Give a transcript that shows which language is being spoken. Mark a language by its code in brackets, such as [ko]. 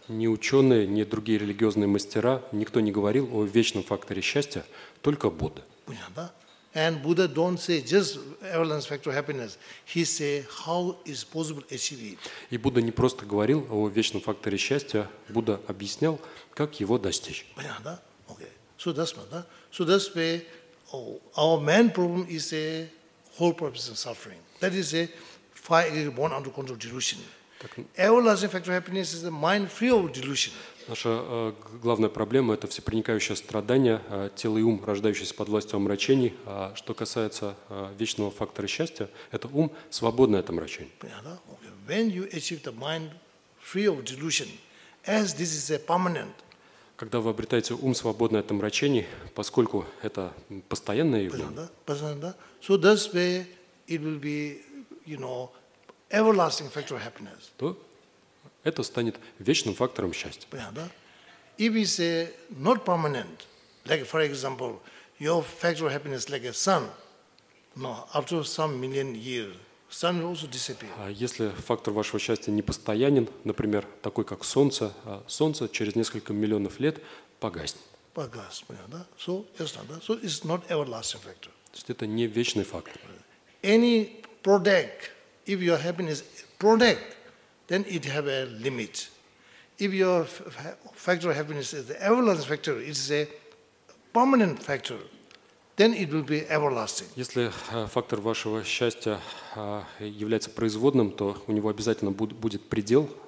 [ru] Ни ученые, ни другие религиозные мастера, никто не говорил о вечном факторе счастья, только Будда. Понятно, да? [en] And Buddha don't say just everlasting factor of happiness. He say how is possible to achieve it. [ru] И Будда не просто говорил о вечном факторе счастья. Будда объяснял, как его достичь. Понятно, да? [en] Okay. So that's why, [ru] да? [en] So that's why our main problem is a whole purpose of suffering. That is a fire born under control of delusion. Everlasting factor of happiness is a mind free of delusion. [ru] Наша главная проблема – это всепроникающее страдание, тело и ум, рождающиеся под властью омрачений. А что касается вечного фактора счастья, это ум, свободный от омрачений. Понятно? [en] Okay. When you achieve the mind free of delusion, as this is a permanent… [ru] Когда вы обретаете ум, свободный от омрачений, поскольку это постоянное явление… Понятно? [en] So that's where it will be, you know, everlasting factor of happiness. [ru] Это станет вечным фактором счастья. Понятно, да? [en] If it's not permanent, like, for example, your factor of happiness like a sun, no, after some million years, sun will also disappear. [ru] А если фактор вашего счастья непостоянен, например, такой как солнце, солнце через несколько миллионов лет погаснет. Погаснет, понятно, да? [en] So, [ru] ясно, да? [en] So, it's not everlasting factor. [ru] То есть это не вечный фактор. [en] Any product, if your happiness product, then it have a limit. If your factor of happiness is the everlasting factor, it is a permanent factor, then it will be everlasting. [ru] Если фактор вашего счастья является производным, то у него обязательно будет предел.